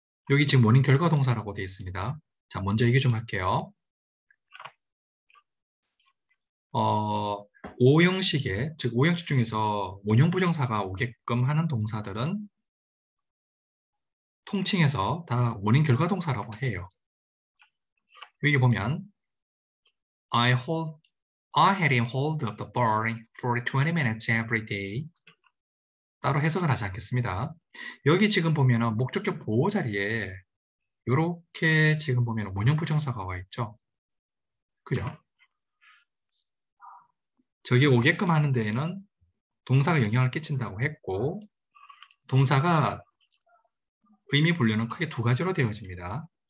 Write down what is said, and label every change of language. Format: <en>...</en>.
<ko>여기 지금 원인 결과 동사라고 되어 있습니다. 자, 먼저 얘기 좀 할게요. 5형식에, 즉 5형식 중에서 원형 부정사가 오게끔 하는 동사들은 통칭해서 다 원인 결과 동사라고 해요.</ko> <en>여기 보면 I had him hold up the bar for 20 minutes every day.</en> <ko>따로 해석을 하지 않겠습니다. 여기 지금 보면은 목적격 보호 자리에 이렇게 지금 보면은 원형 부정사가 와 있죠. 그죠? 저기 오게끔 하는 데에는 동사가 영향을 끼친다고 했고, 동사가 의미 분류는 크게 두 가지로 되어집니다.</ko>